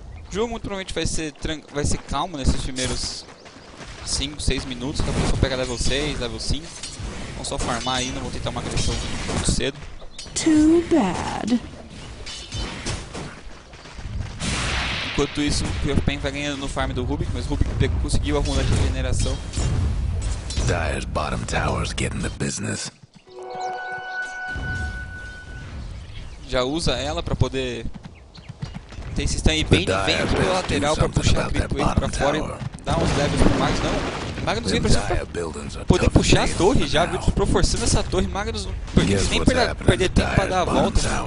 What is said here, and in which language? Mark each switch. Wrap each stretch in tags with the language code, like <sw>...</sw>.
<pt>O jogo muito provavelmente vai ser calmo nesses primeiros 5, 6 minutos, que a pessoa pega level 6, level 5. Vamos só farmar ainda, vou tentar uma agressão muito cedo.</pt> <en>Too bad.</en> <pt>Enquanto isso, o Pure Pain vai ganhando no farm do Rubik, mas o Rubik conseguiu a runa de regeneração.</pt> <en>Dire's bottom tower's getting the business.</en> <pt>Já usa ela pra poder ter esse stun aí bem de vento pelo lateral pra puxar a creep wave pra fora e dar uns levels pro Magnus. Não, Magnus vem pra cima pra poder puxar a torre já, viu? Pro forçando essa torre, Magnus nem perder tempo pra dar a volta.</pt>